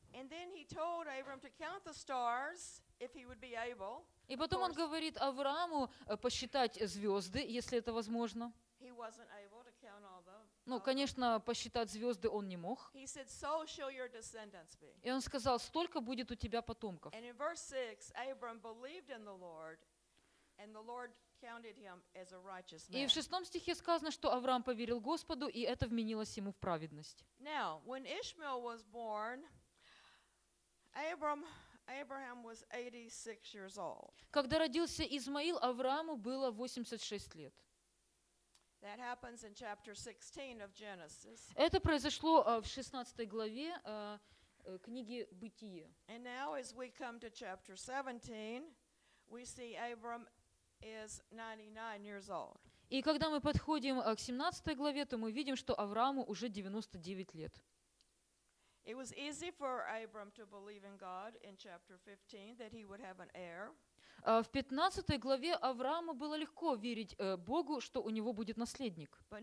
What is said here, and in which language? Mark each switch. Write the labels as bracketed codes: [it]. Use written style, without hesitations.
[en] And then he told Abram to count the stars if he would be able. [ru] И потом он говорит Аврааму посчитать звезды, если это возможно. [en] He wasn't able to count all them. [ru] Ну, конечно, посчитать звезды он не мог. [en] He said, "So shall your descendants be." [ru] И он сказал, столько будет у тебя потомков. [en] And in verse 6, Abram believed in the Lord, and the Lord counted him as a righteous man. [ru] И в шестом стихе сказано, что Авраам поверил Господу, и это вменилось ему в праведность. [en] Now, when Ishmael was born, Abraham was 86 years old. [ru] Когда родился Измаил, Аврааму было 86 лет. [en] That happens in chapter 16 of Genesis. [ru] Это произошло в 16 главе книги Бытие. [en] And now as we come to chapter 17, we see Abram is 99 years old. [ru] И когда мы подходим к 17 главе, то мы видим, что Аврааму уже 99 лет. [en] It was easy for Abram to believe in God in chapter 15 that he would have an heir. [ru] В 15 главе Аврааму было легко верить Богу, что у него будет наследник.